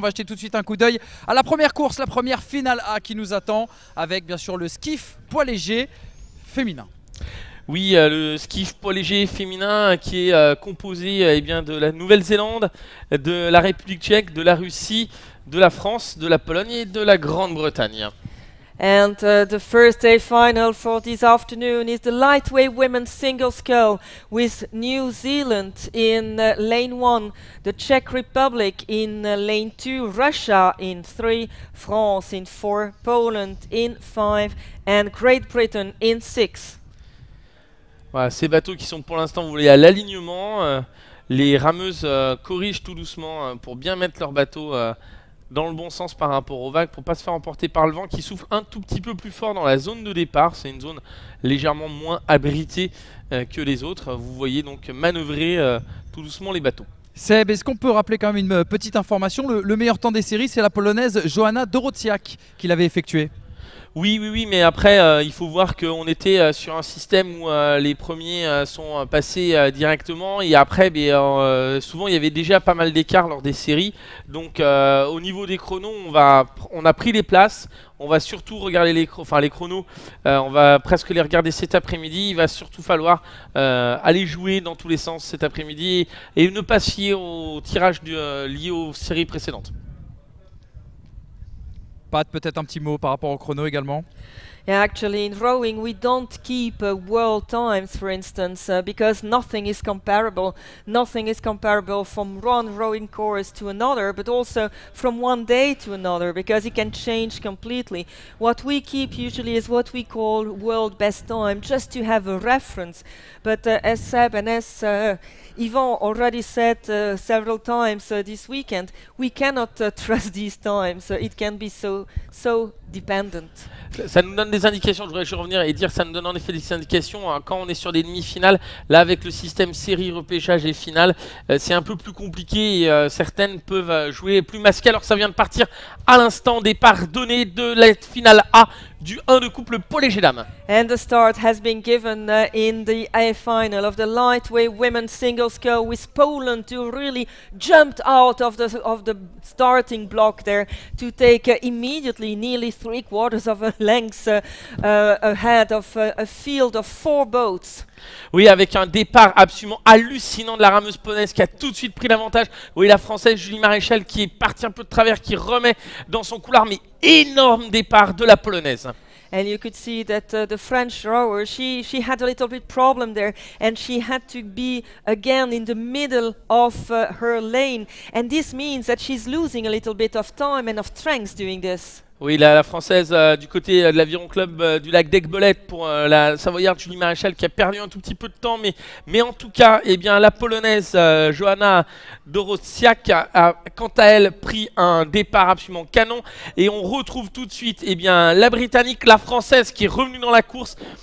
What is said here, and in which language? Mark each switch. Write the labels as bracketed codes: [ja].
[fr] On va jeter tout de suite un coup d'œil à la première course, la première finale A qui nous attend, avec bien sûr le skiff poids léger féminin. Oui, le skiff poids léger féminin qui est composé eh bien, de la Nouvelle-Zélande, de la République tchèque, de la Russie, de la France, de la Pologne et de la Grande-Bretagne. [en] And the first day final for this afternoon is the lightweight women's single scull with New Zealand in lane 1, the Czech Republic in lane 2, Russia in 3, France in 4, Poland in 5 and Great Britain in 6. [fr] Voilà, ces bateaux qui sont pour l'instant voulés à l'alignement, les rameuses corrigent tout doucement pour bien mettre leur bateau dans le bon sens par rapport aux vagues, pour ne pas se faire emporter par le vent qui souffle un tout petit peu plus fort dans la zone de départ. C'est une zone légèrement moins abritée que les autres. Vous voyez donc manœuvrer tout doucement les bateaux. Seb, est-ce qu'on peut rappeler quand même une petite information? Le meilleur temps des séries, c'est la Polonaise Joanna Dorotiak qui l'avait effectué. Oui, mais après, il faut voir qu'on était sur un système où les premiers sont passés directement. Et après, souvent, il y avait déjà pas mal d'écart lors des séries. Donc, au niveau des chronos, on a pris les places. On va surtout regarder les chronos. On va presque les regarder cet après-midi. Il va surtout falloir aller jouer dans tous les sens cet après-midi et ne pas se fier au tirage lié aux séries précédentes. Pat, peut-être un petit mot par rapport au chrono également. [en] Yeah, actually, in rowing, we don't keep world times, for instance, because nothing is comparable. Nothing is comparable from one rowing course to another, but also from one day to another, because it can change completely. What we keep usually is what we call world best time, just to have a reference. But as Seb and as Yvan already said several times this weekend, we cannot trust these times. It can be so dependent. [fr] Ça nous donne des indications, je voudrais juste revenir et dire ça nous donne en effet des indications. Quand on est sur des demi-finales, là avec le système série, repêchage et finale, c'est un peu plus compliqué. Certaines peuvent jouer plus masquées. Alors ça vient de partir à l'instant, départ donné de la finale A du 1 de couple poids léger dames. [en] And the start has been given in the A final of the lightweight women's singles scull with Poland who really jumped out of the starting block there to take immediately nearly three quarters of a length ahead of a field of four boats. [fr] Oui, avec un départ absolument hallucinant de la rameuse polonaise qui a tout de suite pris l'avantage. Oui, la française Julie Maréchal qui est partie un peu de travers, qui remet dans son couloir, mais énorme départ de la polonaise. [en] And you could see that the French rower, she had a little bit problem there and she had to be again in the middle of her lane. And this means that she's losing a little bit of time and of strength doing this. [fr] Oui, la française du côté de l'Aviron Club du lac d'Aigbelette pour la Savoyarde Julie Maréchal qui a perdu un tout petit peu de temps. Mais en tout cas, eh bien, la polonaise Joanna Dorotiak a quant à elle pris un départ absolument canon. Et on retrouve tout de suite eh bien, la britannique, la française qui est revenue dans la course.